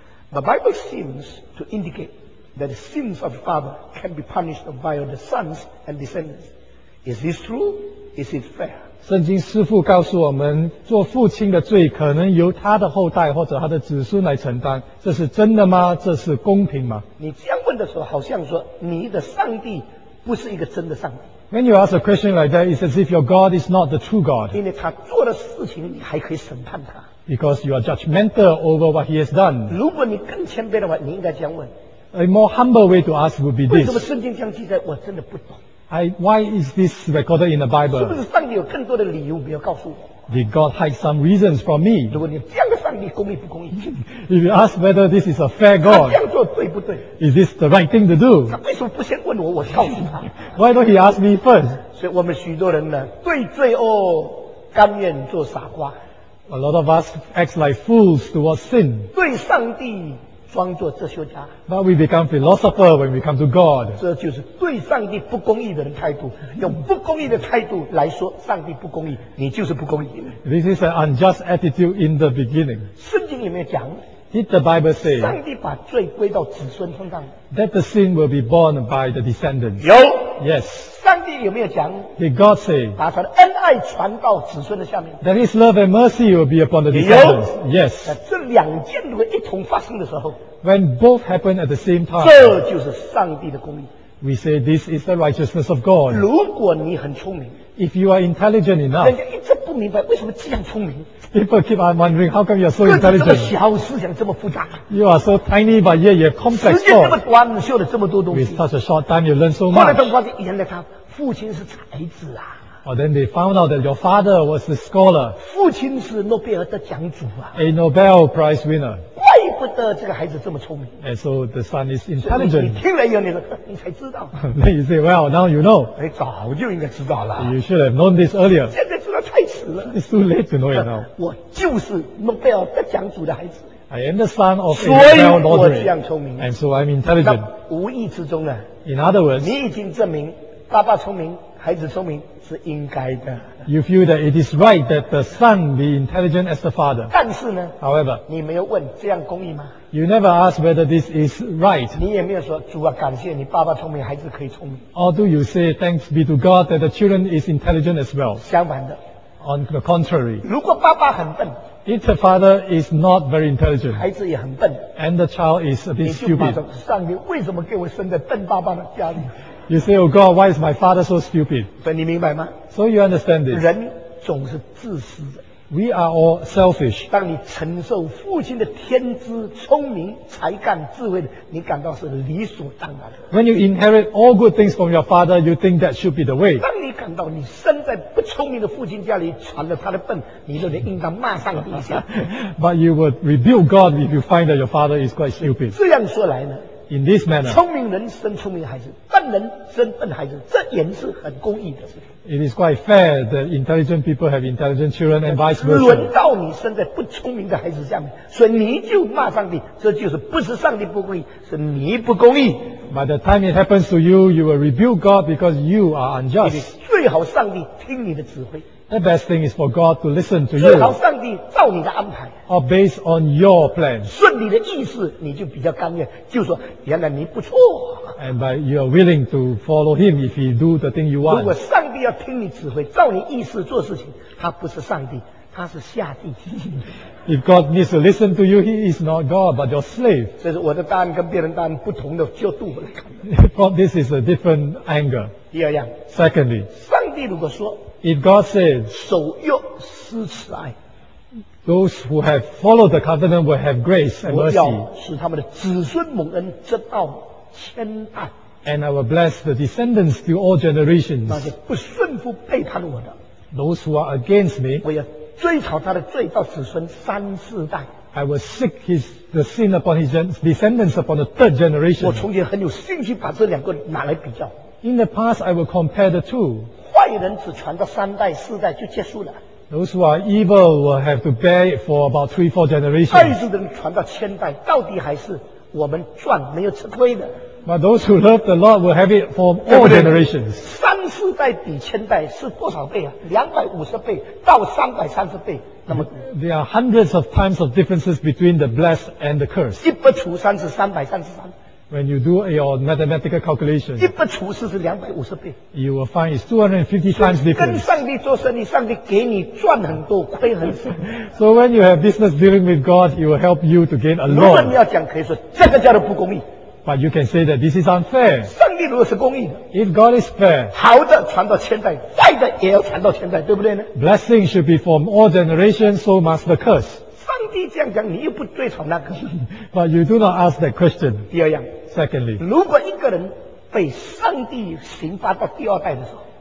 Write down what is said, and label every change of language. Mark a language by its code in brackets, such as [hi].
[en] The Bible seems to indicate that the sins of the father can be punished by the sons and descendants. Is this true? Is it fair? [zh] 圣经师父告诉我们，做父亲的罪可能由他的后代或者他的子孙来承担，这是真的吗？这是公平吗？你这样问的时候，好像说你的上帝不是一个真的上帝。 [en] When you ask a question like that, it's as if your God is not the true God. [zh] 因为他做的事情，你还可以审判他。 [en] Because you are judgmental over what he has done. [zh] 如果你更谦卑的话，你应该这样问。 [en] A more humble way to ask would be this. [zh] 为什么圣经这样记载？我真的不懂。 [en] Why is this recorded in the Bible? [zh] 是不是上帝有更多的理由没有告诉我？ [en] Did God hide some reasons from me? [zh] 如果你这样的上帝公义不公义？ [en] If you ask whether this is a fair God, [zh] 他这样做对不对？ [en] Is this the right thing to do? [zh] 他为什么不先问我？我告诉他。 [en] Why don't he ask me first? [zh] 所以我们许多人呢，对罪恶甘愿做傻瓜。 [en] A lot of us act like fools towards sin. [zh] 对上帝。装作哲学家 [en] But we become philosopher when we come to God. [zh] 这就是对上帝不公义的人态度，用不公义的态度来说上帝不公义，你就是不公义。 [en] This is an unjust attitude in the beginning. [zh] 圣经里面讲 [en] Did the Bible say [zh] 上帝把罪归到子孙身上 [en] That the sin will be born by the descendants? [zh] 有 [en] Yes. [zh] 上帝有没有讲 [en] Did God say [zh] 把他的恩爱传到子孙的下面 [en] That his love and mercy will be upon the descendants? [zh] 有 [en] Yes. [zh] 这两件如果一同发生的时候 [en] When both happen at the same time [zh] 这就是上帝的公义 [en] We say this is the righteousness of God. [zh] 如果你很聪明 [en] If you are intelligent enough [zh] 人家一直不明白为什么这样聪明 [en] People keep on wondering how come you are so intelligent [zh] 个子这么小思想这么复杂 [en] You are so tiny but yet you have complex thoughts [zh] 时间这么短修了这么多东西 [en] With such a short time you learn so much [zh] 后来他们发现原来他父亲是才子啊 [en] Oh, then they found out that your father was a scholar. [zh] 父亲是诺贝尔的奖主啊 [en] A Nobel Prize winner. [zh] 怪不得这个孩子这么聪明 [en] And so the son is intelligent. [zh] 你听了以后你说你才知道 [en] Then you say, well, now you know. [zh] 哎，早就应该知道了 [en] You should have known this earlier. [zh] 现在知道太迟了 [en] It's too late to know it now. [zh] 我就是诺贝尔的奖主的孩子 [en] I am the son of a Nobel laureate. [zh] 所以我这样聪明 [en] And so I'm intelligent. [zh] 那无意之中呢 [en] In other words, [zh] 你已经证明爸爸聪明，孩子聪明是应该的。 [en] You feel that it is right that the son be intelligent as the father. [zh] 但是呢 [en] ，However， [zh] 你没有问这样公义吗 [en] You never ask whether this is right. [zh] 你也没有说主啊，感谢你爸爸聪明，孩子可以聪明。 [en] Or do you say thanks be to God that the children is intelligent as well? [zh] 相反的。 [en] On the contrary. [zh] 如果爸爸很笨。 [en] If the father is not very intelligent. [zh] 孩子也很笨。 [en] And the child is a bit stupid. [zh] 上帝为什么给我生在笨爸爸的家里？ [en] You say, oh God, why is my father so stupid? [zh] 所以你明白吗？ [en] So you understand this. [zh] 人总是自私的。 [en] We are all selfish. [zh] 当你承受父亲的天资、聪明、才干、智慧，你感到是理所当然的。 [en] When you inherit all good things from your father, you think that should be the way. [zh] 当你感到你生在不聪明的父亲家里，传了他的笨，你就得应当骂上帝一下。 [en] But you would rebuke God if you find that your father is quite stupid. [zh] 这样说来呢？ [en] In this manner, [zh] 聪明人生聪明孩子，笨人生笨孩子，这也是很公义的事。 [en] It is quite fair that intelligent people have intelligent children and vice versa. [zh] 轮到你生在不聪明的孩子下面，所以你就骂上帝，这就是不是上帝不公义，是你不公义。 [en] By the time it happens to you, you will rebuke God because you are unjust. [zh] 最好上帝听你的指挥。 [en] The best thing is for God to listen to you. [zh] 最好上帝照你的安排。 [en] Or based on your plan. [zh] 顺你的意思，你就比较甘愿，就说原来你不错。 [en] And by you are willing to follow him if he do the thing you want. [zh] 如果上帝要听你指挥，照你意思做事情，他不是上帝，他是下帝。 [en] If God needs to listen to you, he is not God but your slave. [zh] 这是我的答案跟别人答案不同的角度来看。 [en] But this is a different angle. [zh] 第二样。 [en] Secondly. [zh] 上帝如果说。 [en] If God says, [zh] 守约施慈爱, [en] those who have followed the covenant will have grace and mercy. [zh] 我要使他们的子孙蒙恩直到千代。 [en] And I will bless the descendants to all generations. [zh] 那些不顺服背叛我的, [en] those who are against me, [zh] 我要追讨他的罪到子孙三四代。 [en] I will seek his, the sin upon his descendants upon the third generation. [zh] 我从前很有兴趣把这两个拿来比较。 [en] In the past, I will compare the two. [zh] 坏人只传到三代四代就结束了。 [en] Those who are evil will have to bear it for about three, four generations. [zh] 爱主的人传到千代，到底还是我们赚没有吃亏的。 [en] But those who love the Lord will have it for all generations. [zh] 三四代比千代是多少倍啊？ 250倍到330倍。那么 [en] there are hundreds of times of differences between the blessed and the cursed. [zh] 一不除三是333。 [en] When you do your mathematical calculation, [zh] 一不除四是250倍。 [en] You will find it's 250 times difference. [zh] 跟上帝做生意，上帝给你赚很多，亏很少。 [en] So when you have business dealing with God, it will help you to gain a lot. [zh] 如果你要讲，可以说这个叫做不公义。 [en] But you can say that this is unfair. [zh] 上帝如果是公义的 [en] ，If God is fair, [zh] 好的传到千代，坏的也要传到千代，对不对呢 [en] ？Blessing should be from all generations, so must the curse. [zh] 上帝这样讲，你又不追讨那个。 [en] But you do not ask that question. [zh] 第二样。 [en] Secondly. [zh] 如果一个人被上帝刑罚到第二代的时候。